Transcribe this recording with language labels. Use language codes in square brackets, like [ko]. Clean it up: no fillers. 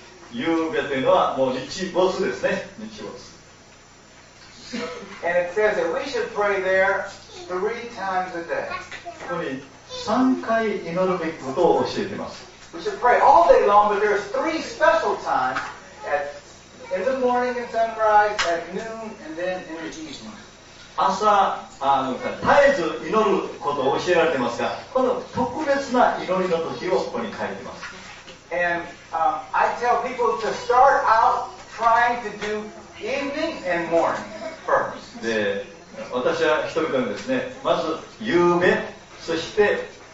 [ja] 夕べというのはもう日没ですね。日没。 [en] And it says that we should pray there three times a day. [ja] ここに3回祈るべきことを教えています。 [en] We should pray all day long, but there's three special times in the morning and sunrise, at noon, and then in the evening. [ja] 朝、絶えず祈ることを教えられていますが、この特別な祈りの時をここに書いています。 [en] And、I tell people to start out trying to do evening and morning first. [ja] で、私は人々にですね、まず夕べ、そして